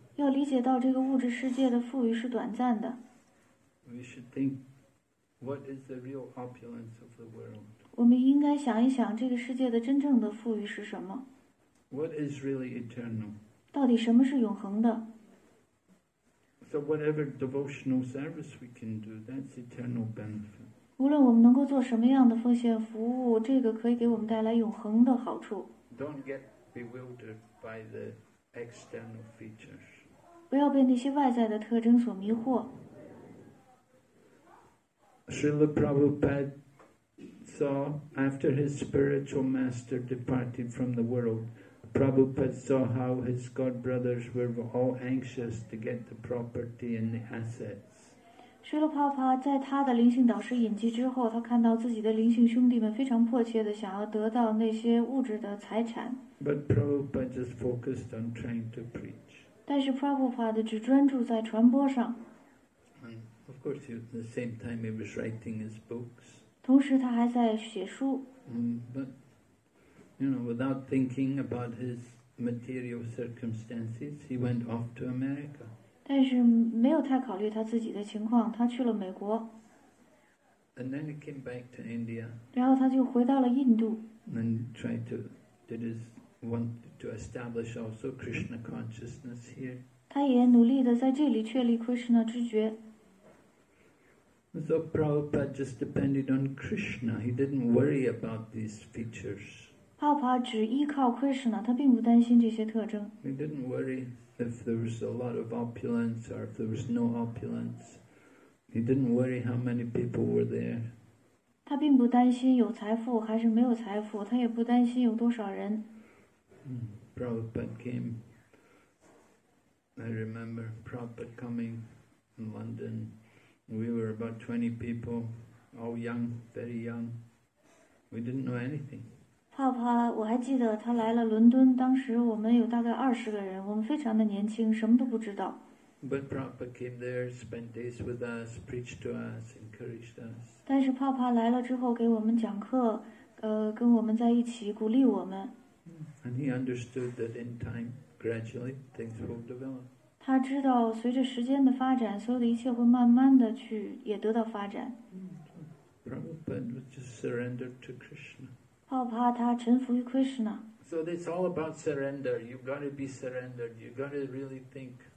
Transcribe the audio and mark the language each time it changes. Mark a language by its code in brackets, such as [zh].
[zh] 要理解到这个物质世界的富裕是短暂的。 [en] We should think, what is the real opulence of the world? [zh] 我们应该想一想这个世界的真正的富裕是什么。 [en] What is really eternal? [zh] 到底什么是永恒的？ [en] So whatever devotional service we can do, that's eternal benefit. [zh] 无论我们能够做什么样的奉献服务，这个可以给我们带来永恒的好处。 [en] Don't get bewildered by the external features. [zh] 不要被那些外在的特征所迷惑。 [en] Srila Prabhupada saw after his spiritual master departed from the world. Prabhupada saw how his godbrothers were all anxious to get the property and the assets. [zh] Srila Prabhupada, 在他的灵性导师隐居之后，他看到自己的灵性兄弟们非常迫切地想要得到那些物质的财产。 [en] But Prabhupada just focused on trying to preach. [zh] 但是 Prabhupada 只专注在传播上。 [en] And of course, at the same time, he was writing his books. [zh] 同时他还在写书。 [en] But... You know, without thinking about his material circumstances, he went off to America. [zh] 但是没有太考虑他自己的情况，他去了美国。 [en] And then he came back to India. [zh] 然后他就回到了印度。 [en] And tried to did his want to establish also Krishna consciousness here. [zh] 他也努力地在这里确立 Krishna 知觉。 [en] So Prabhupada just depended on Krishna. He didn't worry about these features. [zh] 帕帕只依靠 Krishna, 他并不担心这些特征。 [en] He didn't worry if there was a lot of opulence or if there was no opulence. He didn't worry how many people were there. [zh] 他并不担心有财富还是没有财富，他也不担心有多少人。 [en] Prabhupada came. I remember Prabhupada coming in London. We were about 20 people, all young, very young. We didn't know anything. [zh] 帕帕，我还记得他来了伦敦，当时我们有大概20个人，我们非常的年轻，什么都不知道。 [en] But Prabhupada came there, spent days with us, preached to us, encouraged us. [zh] 但是帕帕来了之后给我们讲课，跟我们在一起鼓励我们。 [en] And he understood that in time, gradually, things will develop. [zh] 他知道随着时间的发展，所有的一切会慢慢的去也得到发展。 [en] Prabhupada was just surrendered to Krishna. [zh] 帕帕他臣服于 Krishna. [en] So it's all about surrender. You've got to be surrendered. You've got to really think.